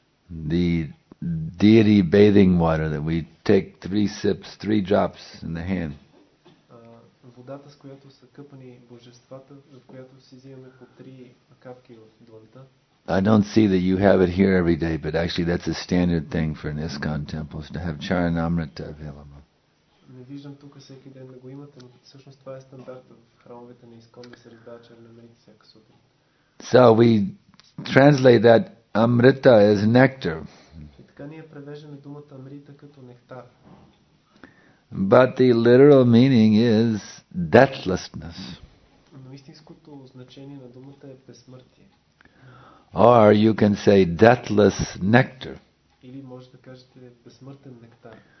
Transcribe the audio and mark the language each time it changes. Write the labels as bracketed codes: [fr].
[en] The deity bathing water that we take 3 sips, 3 drops in the hand. [bg] Водата, с която са къпани божествата, от която си взимаме по 3 капки в дланта. [en] I don't see that you have it here every day, but actually that's a standard thing for an ISKCON temples to have Charanamrita available. [bg] Не виждам тук всеки ден да го имате, но всъщност това е стандарт в храмовете на ИСКОН да се раздава Чаранамрита всяка сутрин. [en] So we translate that Amrita as nectar. [bg] И така ние превеждаме думата Амрита като нектар. [en] But the literal meaning is deathlessness. [bg] Но истинското значение на думата е безсмъртие. [en] Or you can say deathless nectar. [bg] Или може да кажете безсмъртен нектар.